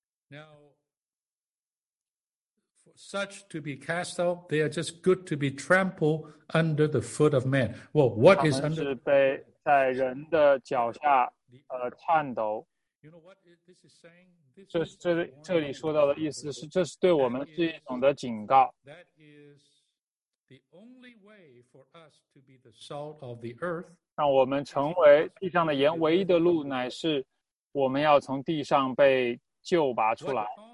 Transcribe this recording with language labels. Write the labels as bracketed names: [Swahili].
[English] Now, for such to be cast out, they are just good to be trampled under the foot of man. Well, what is under? [Chinese] 他们是被在人的脚下颤抖。 [English] You know what this is saying? [Chinese] 这里说到的意思是，这是对我们是一种的警告。 [English] That is the only way for us to be the salt of the earth. [Chinese] 让我们成为地上的盐，唯一的路乃是我们要从地上被救拔出来。